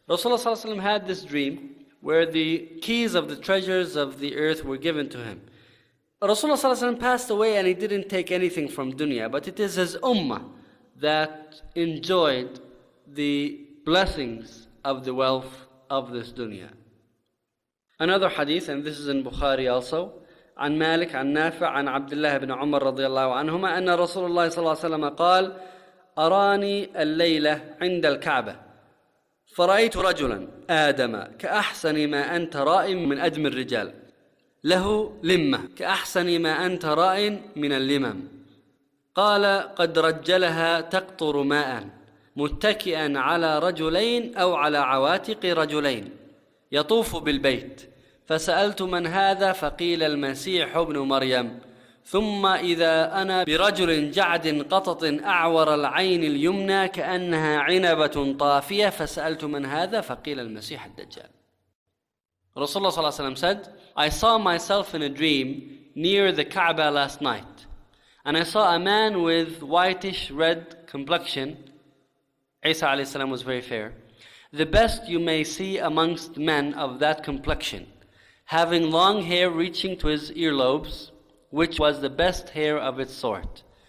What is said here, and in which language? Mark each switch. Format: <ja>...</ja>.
<en>Rasulullah صلى الله عليه وسلم had this dream where the keys of the treasures of the earth were given to him. Rasulullah صلى الله عليه وسلم passed away and he didn't take anything from dunya, but it is his ummah that enjoyed the blessings of the wealth of this dunya. Another hadith, and this is in Bukhari also,</en> <ar>عن مالك عن نافع عن عبد الله بن عمر رضي الله عنهما أن رسول الله صلى الله عليه وسلم قال أراني الليلة عند الكعبة فرأيت رجلا آدم كأحسن ما أنت رائم من أدم الرجال له لمة كأحسن ما أنت رائم من اللمم قال قد رجلها تقطر ماء متكئا على رجلين أو على عواتق رجلين يطوف بالبيت فسألت من هذا فقيل المسيح ابن مريم ثم إذا أنا برجل جعد قطط أعور العين اليمنى كأنها عنبة طافية فسألت من هذا فقيل المسيح الدجال.</ar> <en>Rasulullah صلى الله عليه وسلم said, I saw myself in a dream near the Kaaba last night, and I saw a man with whitish red complexion. Isa عليه السلام was very fair, the best you may see amongst men of that complexion, having long hair reaching to his earlobes, which was the best hair of its sort.</en>